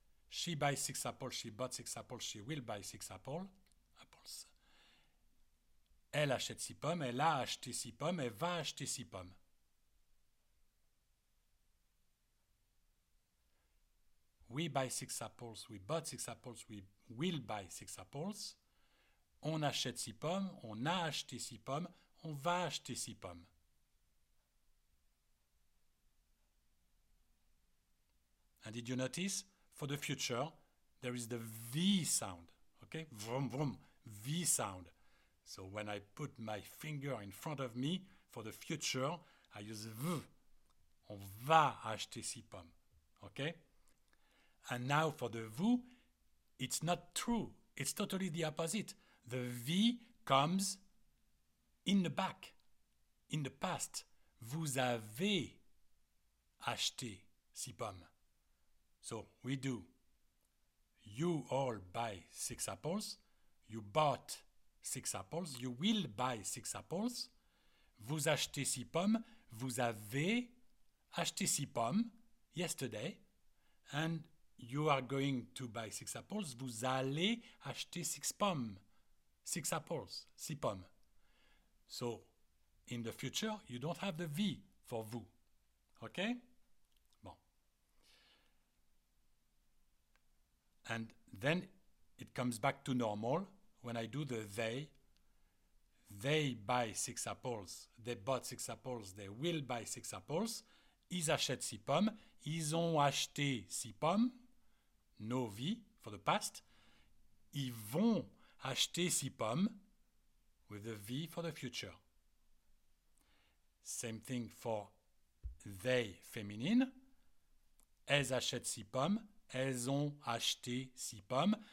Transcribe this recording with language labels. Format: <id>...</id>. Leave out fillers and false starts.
<en>She buys six apples, she bought six apples, she will buy six apples.</en> <fr>Elle achète six pommes, elle a acheté six pommes, elle va acheter six pommes.</fr> <en>We buy six apples, we bought six apples, we will buy six apples.</en> <fr>On achète six pommes, on a acheté six pommes, on va acheter six pommes.</fr> <en>And did you notice, for the future, there is the V sound, okay? Vroom, vroom, V sound. So when I put my finger in front of me, for the future, I use V.</en> <fr>On va acheter six pommes,</fr> <en>okay? And now for the vous, it's not true. It's totally the opposite. The V comes in the back, in the past.</en> <fr>Vous avez acheté six pommes.</fr> <en>So we do. You all buy six apples. You bought six apples. You will buy six apples.</en> <fr>Vous achetez six pommes. Vous avez acheté six pommes yesterday.</fr> <en>And you are going to buy six apples.</en> <fr>Vous allez acheter six pommes.</fr> <en>Six apples,</en> <fr>six pommes.</fr> <en>So, in the future, you don't have the V for vous. Okay? Bon. And then it comes back to normal when I do the they. They buy six apples. They bought six apples. They will buy six apples.</en> <fr>Ils achètent six pommes. Ils ont acheté six pommes.</fr> <en>No V for the past.</en> <fr>Ils vont acheter six pommes,</fr> <en>with the V for the future. Same thing for they, feminine.</en> <fr>Elles achètent six pommes. Elles ont acheté six pommes.</fr>